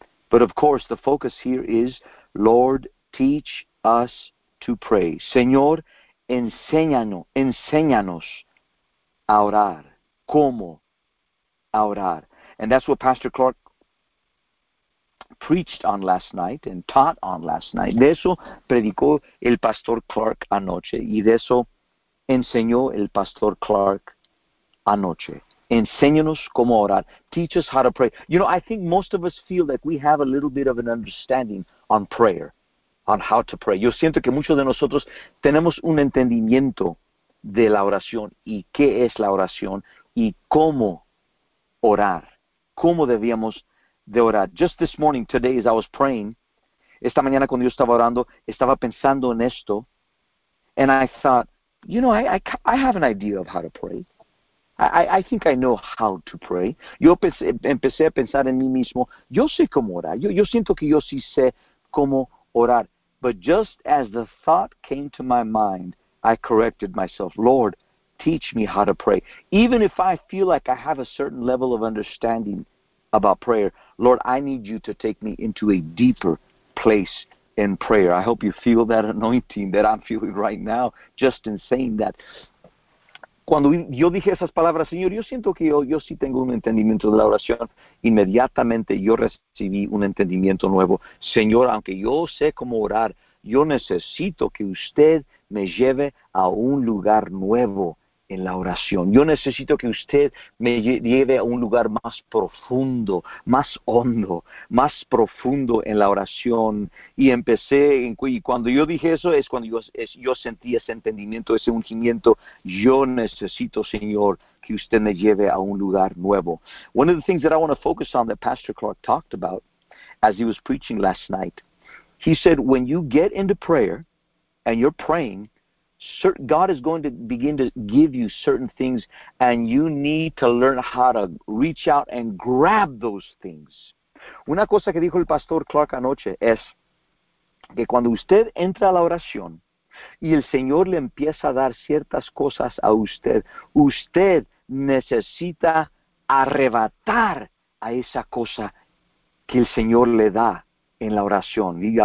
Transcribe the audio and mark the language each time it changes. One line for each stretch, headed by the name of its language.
English: But of course, the focus here is, Lord, teach us to pray.
Spanish: Señor, enséñanos a orar. ¿Cómo a orar?
English: And that's what Pastor Clark preached on last night and taught on last night.
Spanish: De eso predicó el Pastor Clark anoche. Y de eso enseñó el Pastor Clark anoche. Enséñanos cómo orar.
English: Teach us how to pray. You know, I think most of us feel like we have a little bit of an understanding on prayer. On how to pray.
Spanish: Yo siento que muchos de nosotros tenemos un entendimiento de la oración y qué es la oración y cómo orar, cómo debíamos de orar.
English: Just this morning, today, as I was praying,
Spanish: esta mañana cuando yo estaba orando, estaba pensando en esto,
English: and I thought, you know, I have an idea of how to pray. I think I know how to pray.
Spanish: Yo empecé a pensar en mí mismo, yo sé cómo orar, yo siento que yo sí sé cómo orar.
English: But just as the thought came to my mind, I corrected myself. Lord, teach me how to pray. Even if I feel like I have a certain level of understanding about prayer, Lord, I need you to take me into a deeper place in prayer. I hope you feel that anointing that I'm feeling right now just in saying that.
Spanish: Cuando yo dije esas palabras, Señor, yo siento que yo sí tengo un entendimiento de la oración. Inmediatamente yo recibí un entendimiento nuevo. Señor, aunque yo sé cómo orar, yo necesito que usted me lleve a un lugar nuevo en la oración. Yo necesito que usted me lleve a un lugar más profundo, más hondo, más profundo en la oración. Y empecé, y cuando yo dije eso, es cuando yo sentí ese entendimiento, ese ungimiento. Yo necesito, Señor, que usted me lleve a un lugar nuevo.
English: One of the things that I want to focus on that Pastor Clark talked about as he was preaching last night, he said, when you get into prayer and you're praying, God is going to begin to give you certain things, and you need to learn how to reach out and grab those things.
Spanish: Una cosa que dijo el Pastor Clark anoche es que cuando usted entra a la oración y el Señor le empieza a dar ciertas cosas a usted, usted necesita arrebatar a esa cosa que el Señor le da en la oración.